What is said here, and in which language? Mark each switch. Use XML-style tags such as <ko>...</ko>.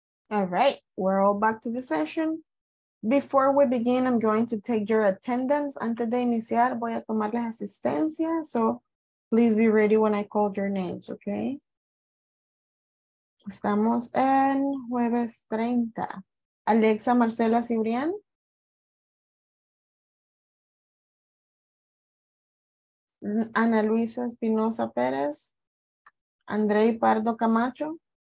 <en>All right, we're all back to the session. Before we begin, I'm going to take your attendance.</en> <es>Antes de iniciar, voy a tomar las asistencias.</es> <en>So please be ready when I call your names, okay?</en> <es>Estamos en jueves 30. Alexa, Marcela, Cibrián. Ana Luisa Espinosa Pérez. Andrei Pardo Camacho.</es>